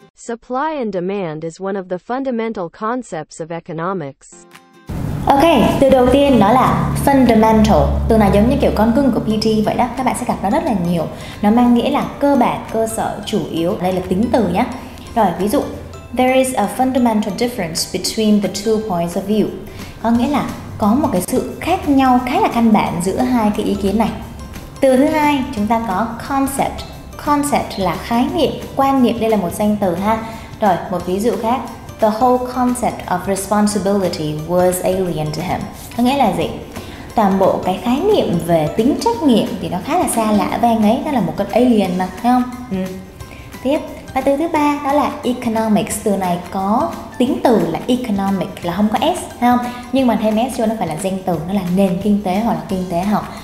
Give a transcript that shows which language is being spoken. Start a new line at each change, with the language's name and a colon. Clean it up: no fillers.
English: Supply and demand is one of the fundamental concepts of economics.
Vietnamese: Ok, từ đầu tiên nó là fundamental. Từ này giống như kiểu con cưng của PT vậy đó, các bạn sẽ gặp nó rất là nhiều. Nó mang nghĩa là cơ bản, cơ sở, chủ yếu. Đây là tính từ nhé. Rồi, ví dụ
English: there is a fundamental difference between the two points of view.
Vietnamese: Có nghĩa là có một cái sự khác nhau khá là căn bản giữa hai cái ý kiến này. Từ thứ hai, chúng ta có concept. Concept là khái niệm, quan niệm, đây là một danh từ ha. Rồi, một ví dụ khác.
English: The whole concept of responsibility was alien to him.
Vietnamese: Có nghĩa là gì? Toàn bộ cái khái niệm về tính trách nhiệm thì nó khá là xa lạ với anh ấy. Nó là một con alien mà, thấy không? Ừ. Tiếp, và từ thứ ba đó là economics. Từ này có tính từ là economic, là không có S, thấy không? Nhưng mà thêm S vô nó phải là danh từ, nó là nền kinh tế hoặc là kinh tế học.